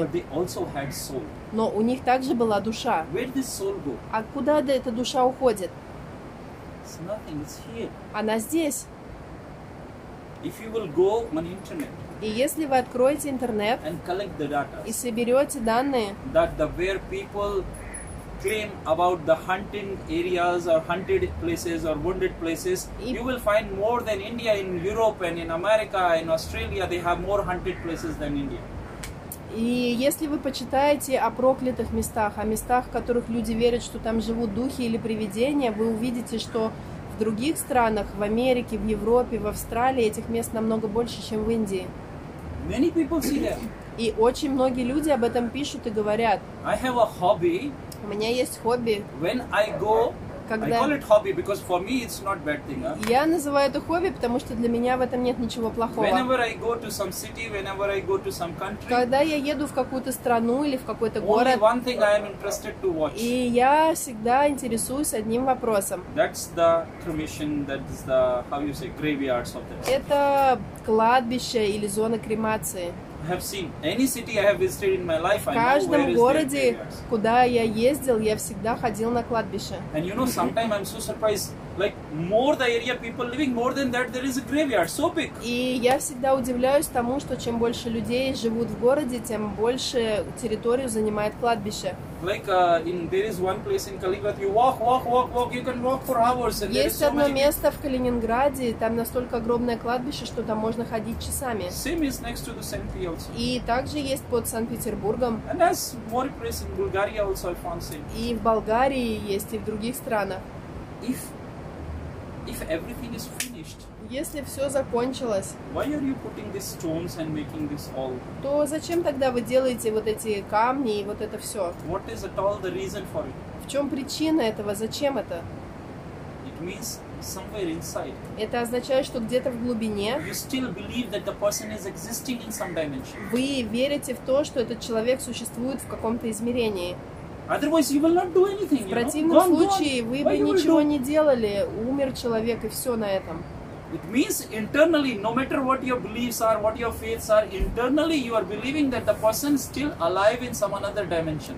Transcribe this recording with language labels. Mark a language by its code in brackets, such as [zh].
[en] But they also had soul. [ru] Но у них также была душа. [en] Where did this soul go? [ru] А куда эта душа уходит? [en] It's nothing, it's here. [ru] Она здесь. [en] If you will go on internet. [ru] И если вы откроете интернет [en] and collect the data, [ru] и соберете данные, [en] that the where people claim about the hunting areas or hunted places or wounded places, you will find more than India in Europe and in America and Australia, they have more hunted places than India. [ru] И если вы почитаете о проклятых местах, о местах, в которых люди верят, что там живут духи или привидения, вы увидите, что в других странах, в Америке, в Европе, в Австралии, этих мест намного больше, чем в Индии. [en] Many people see them. [ru] И очень многие люди об этом пишут и говорят. [en] I have a hobby. [ru] У меня есть хобби. [en] When I go, [ru] когда [en] I call it hobby because for me it's not bad thing. Huh? [ru] Я называю это хобби, потому что для меня в этом нет ничего плохого. [en] Whenever I go to some city, whenever I go to some country. [ru] Когда я еду в какую-то страну или в какой-то [en] only [ru] город. [en] One thing I am interested to watch. [ru] И я всегда интересуюсь одним вопросом. [en] That's the cremation, that's the how you say graveyards of this. [ru] Это кладбище или зона кремации. [en] I have seen any city I have visited in my life. [ru] В каждом городе, куда я ездил, я всегда ходил на кладбище. [en] And you know, sometimes I'm so surprised. Like more the area people living, more than that there is a graveyard, so big. [ru] И я всегда удивляюсь тому, что чем больше людей живут в городе, тем больше территорию занимает кладбище. [en] Like in there is one place in Kaliningrad, you walk, you can walk for hours. And [ru] есть [en] so [ru] одно [en] many... [ru] место в Калининграде, там настолько огромное кладбище, что там можно ходить часами. [en] Same is next to the St. Also. [ru] И также есть под Санкт-Петербургом. [en] And there's more places in Bulgaria also, I found same. [ru] И в Болгарии есть и в других странах. [en] If everything is finished, [ru] если все закончилось, [en] why are you putting these stones and making this all? [ru] То зачем тогда вы делаете вот эти камни и вот это все? [en] What is at all the reason for it? [ru] В чем причина этого? Зачем это? [en] It means somewhere inside. [ru] Это означает, что где-то в глубине. [en] You still believe that the person is existing in some dimension. [ru] Вы верите в то, что этот человек существует в каком-то измерении. [en] Otherwise, you will not do anything. [ru] В противном случае вы бы ничего не делали. Умер человек и все на этом. [en] It means internally, no matter what your beliefs are, what your faiths are, internally you are believing that the person is still alive in some another dimension.